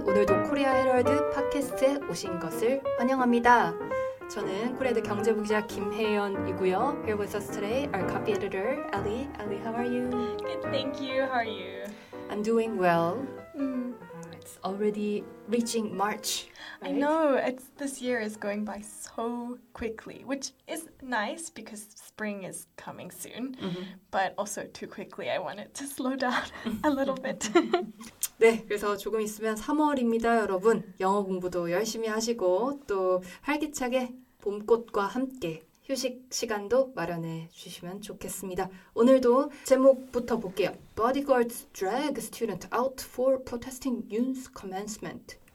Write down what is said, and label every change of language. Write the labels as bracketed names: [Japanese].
[Korean] 오늘도 코리아 헤럴드 팟캐스트에 오신 것을 환영합니다. 저는 코리아드 경제부 기자 김혜연이고요. [English] Here with us today, our copy editor, Ali. Ali, how are you? Good, thank you. How are you? I'm doing well. It's already reaching March. Right? I know. This year is going by so quickly, which is nice because spring is coming soon, but also too quickly. I want it to slow down a little bit. [Korean] 네, 그래서 조금 있으면 3월입니다, 여러분. 영어 공부도 열심히 하시고 또 활기차게 봄꽃과 함께 휴식 시간도 마련해 주시면 좋겠습니다. 오늘도 제목부터 볼게요. [English] Bodyguards drag student out for protesting Yoon's commencement.